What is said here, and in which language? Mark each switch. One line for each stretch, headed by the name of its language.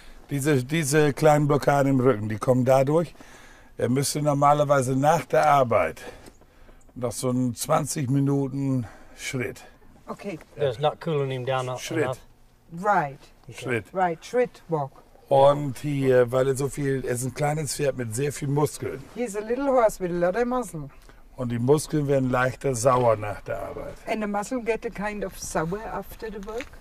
German: diese kleinen Blockaden im Rücken, die kommen dadurch, er müsste normalerweise nach der Arbeit noch so einen 20 Minuten Schritt.
English: Okay. That's not cooling him down.
German: Schritt.
English: Enough. Right.
German: Schritt.
English: Right, Schritt, walk.
German: Und hier, weil er so viel, er ist ein kleines Pferd mit sehr viel Muskeln.
English: He's a little horse with a lot of muscle.
German: Und die Muskeln werden leichter sauer nach der Arbeit.
English: And the muscle get a kind of sour after the work?